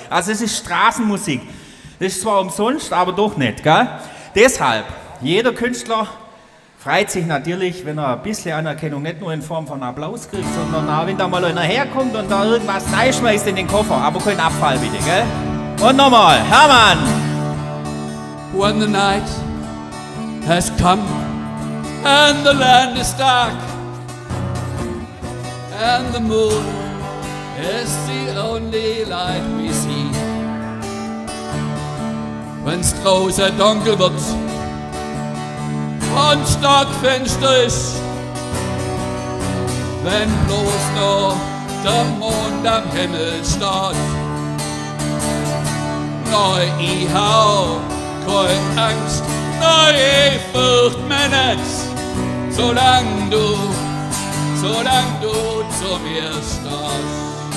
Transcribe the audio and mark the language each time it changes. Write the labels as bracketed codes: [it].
[de] Also es ist Straßenmusik. Das ist zwar umsonst, aber doch nicht, gell. Deshalb, jeder Künstler freut sich natürlich, wenn er ein bisschen Anerkennung nicht nur in Form von Applaus kriegt, sondern auch, wenn da mal einer herkommt und da irgendwas reinschmeißt in den Koffer. Aber kein Abfall bitte, gell? Und nochmal, Hermann! [en] When the night has come and the land is dark and the moon is the only light we see. [de] Wenn's draußen dunkel wird und Stadtfenster ist, wenn bloß nur der Mond am Himmel steht, neu ich hau keine Angst, neue Furcht mehr nicht, solang du zu mir stehst.